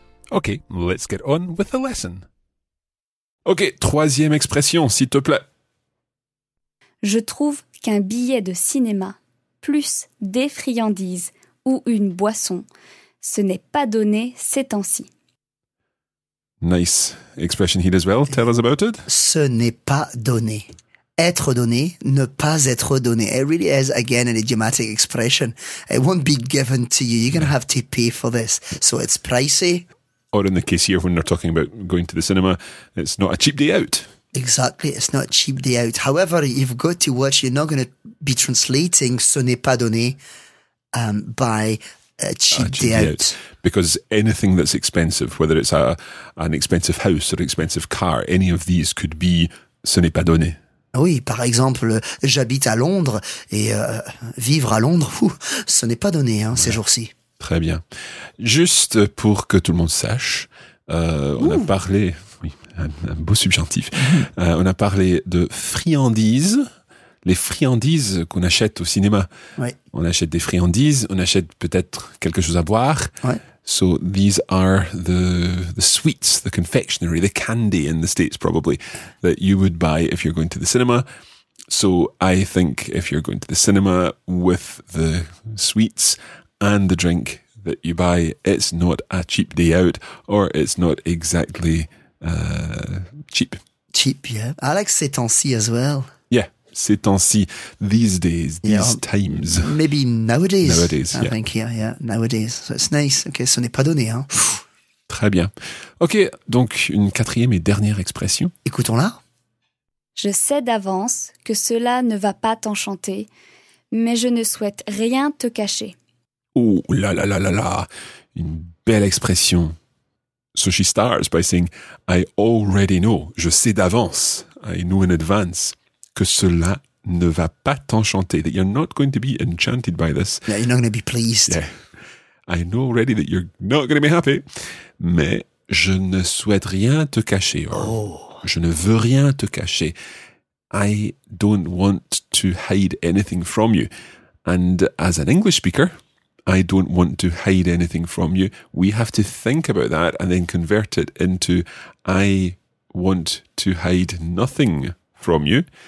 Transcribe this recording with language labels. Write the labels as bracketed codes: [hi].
[en] Ok, let's get on with the lesson. [fr] Ok, troisième expression, s'il te plaît. Je trouve qu'un billet de cinéma plus des friandises ou une boisson, ce n'est pas donné ces temps-ci. [en] Nice expression here as well. Tell us about it. [fr] Ce n'est pas donné. Être donné, ne pas être donné. [en] It really is, again, an idiomatic expression. It won't be given to you. You're going to have to pay for this. So it's pricey. Or in the case here, when they're talking about going to the cinema, it's not a cheap day out. Exactly, it's not a cheap day out. However, you've got to watch, you're not going to be translating [fr] ce n'est pas donné [en] by a cheap day out. Because anything that's expensive, whether it's an expensive house or an expensive car, any of these could be [fr] ce n'est pas donné. Oui, par exemple, j'habite à Londres et vivre à Londres, ce n'est pas donné hein, ces jours-ci. Très bien. Juste pour que tout le monde sache, on a parlé, un beau subjonctif, on a parlé de friandises, les friandises qu'on achète au cinéma. Oui. On achète des friandises, on achète peut-être quelque chose à boire. Oui. [en] So these are the sweets, the confectionery, the candy in the States probably, that you would buy if you're going to the cinema. So I think if you're going to the cinema with the sweets and the drink that you buy, it's not a cheap day out or it's not exactly cheap. Cheap, yeah. I like [fr] ces temps-ci [en] as well. Yeah, [fr] ces temps-ci, [en] these days, these times. Maybe nowadays. Nowadays, I think, yeah, nowadays. So it's nice. Okay, [fr] ce n'est pas donné. Hein. Très bien. Ok, donc une quatrième et dernière expression. Écoutons-la. Je sais d'avance que cela ne va pas t'enchanter, mais je ne souhaite rien te cacher. Oh là là là là là, une belle expression. [en] So she starts by saying, I already know, [fr] je sais d'avance, [en] I know in advance, [fr] que cela ne va pas t'enchanter, [en] that you're not going to be enchanted by this. Yeah, you're not going to be pleased. Yeah. I know already that you're not going to be happy, [fr] mais je ne souhaite rien te cacher. Je ne veux rien te cacher. [en] I don't want to hide anything from you. And as an English speaker, I don't want to hide anything from you. We have to think about that and then convert it into I want to hide nothing from you.